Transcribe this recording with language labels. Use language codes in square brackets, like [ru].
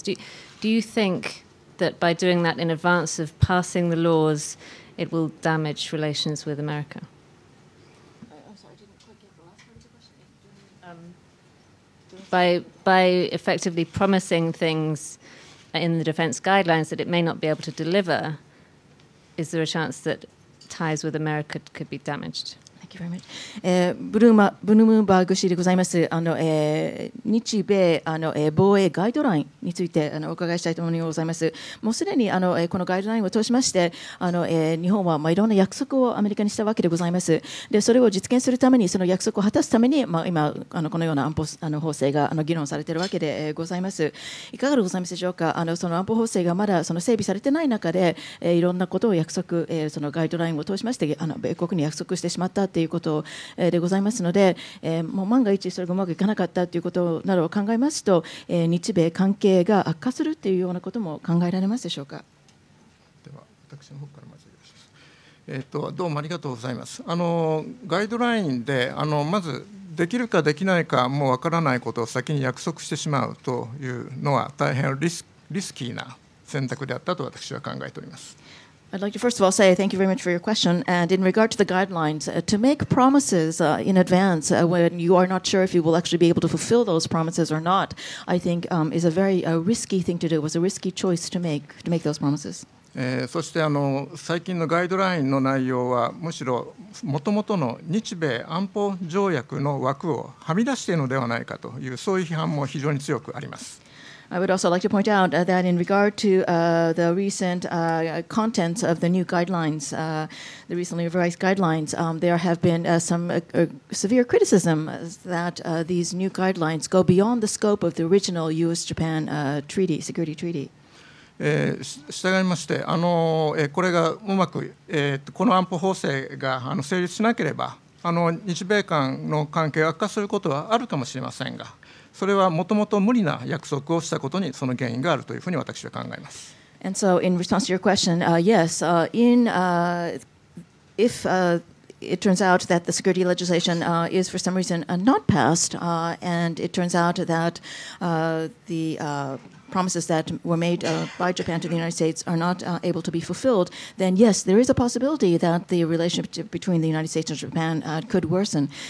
[en] Do you think that by doing that in advance of passing the laws, it will damage relations with America? By effectively promising things in the defense guidelines that it may not be able to deliver, is there a chance that ties with America could be damaged. [ja] ブルームバーグ氏でございます。日米防衛ガイドラインについてお伺いしたいと思いございます。もうすでにこのガイドラインを通しまして日本はいろんな約束をアメリカにしたわけでございます。でそれを実現するためにその約束を果たすために、今このような安保法制が議論されているわけでございます。いかがでございますでしょうか。その安保法制がまだその整備されていない中でいろんなことを約束そのガイドラインを通しまして米国に約束してしまったということでございますので、もう万が一それがうまくいかなかったということなどを考えますと、日米関係が悪化するというようなことも考えられますでしょうか。では私の方からまずよろしいですか。どうもありがとうございます。ガイドラインでまずできるかできないかもうわからないことを先に約束してしまうというのは大変リスキーな選択であったと私は考えております。 [en] I'd like to first of all say thank you very much for your question. And in regard to the guidelines, to make promises in advance when you are not sure if you will actually be able to fulfill those promises or not, I think is a very risky thing to do. It was a risky choice to make those promises. [ja] そして最近のガイドラインの内容はむしろ元々の日米安保条約の枠をはみ出しているのではないかというそういう批判も非常に強くあります。 [en] I would also like to point out that in regard to the recent contents of the new guidelines, the recently revised guidelines, there have been some severe criticism that these new guidelines go beyond the scope of the original U.S.-Japan treaty, security treaty. [ja] 従いまして、これがうまく、この安保法制が成立しなければ、日米間の関係が悪化することはあるかもしれませんが、それはもともと無理な約束をしたことにその原因があるというふうに私は考えます。 [en] And so in response to your question, yes, if it turns out that the security legislation is for some reason not passed, and it turns out that the promises that were made by Japan to the United States are not able to be fulfilled, then yes, there is a possibility that the relationship between the United States and Japan could worsen.